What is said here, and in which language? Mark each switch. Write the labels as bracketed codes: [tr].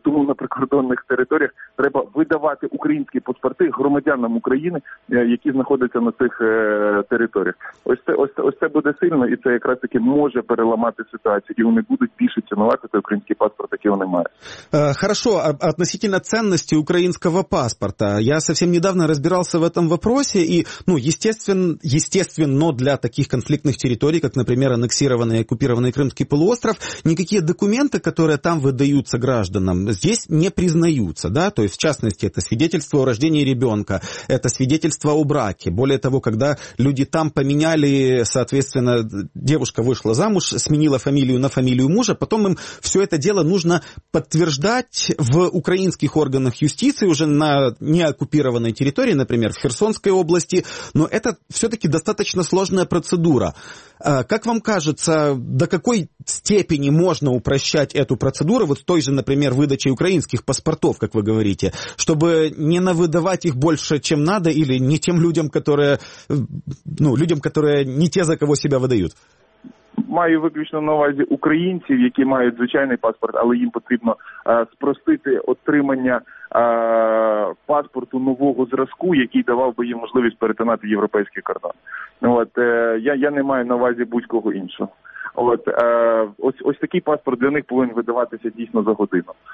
[uk] Тому на прикордонних територіях треба видавати українські паспорти громадянам України, які знаходяться на цих територіях. Ось це буде сильно, і це якраз таки може переламати ситуацію, і вони будуть більше цінувати той український паспорт, який вони мають. [ru] Хорошо, относительно [uk] ценності українського паспорта. [ru] Я совсем недавно розбирався в этом вопросе, и, ну, естественно, для таких конфликтных территорий, как, например, аннексированный и оккупированный Крымский полуостров, никакие документы, которые там выдаются гражданам, здесь не признаются, да, то есть, в частности, это свидетельство о рождении ребенка, это свидетельство о браке. Более того, когда люди там поменяли, соответственно, девушка вышла замуж, сменила фамилию на фамилию мужа, потом им все это дело нужно подтверждать в украинских органах юстиции уже на неоккупированной территории, например, в Херсонской области, но это все-таки достаточно сложная процедура. Как вам кажется, до какой степени можно упрощать эту процедуру, вот с той же, например, выдачей украинских паспортов, как вы говорите, чтобы не навыдавать их больше, чем надо, или не тем людям, которые, ну, людям, которые не те, за кого себя выдают? [uk] Маю виключно на увазі українців, які мають звичайний паспорт, але їм потрібно спростити отримання паспорту нового зразку, який давав би їм можливість перетинати європейський кордон. От я не маю на увазі будь-кого іншого. От ось такий паспорт для них повинен видаватися дійсно за годину.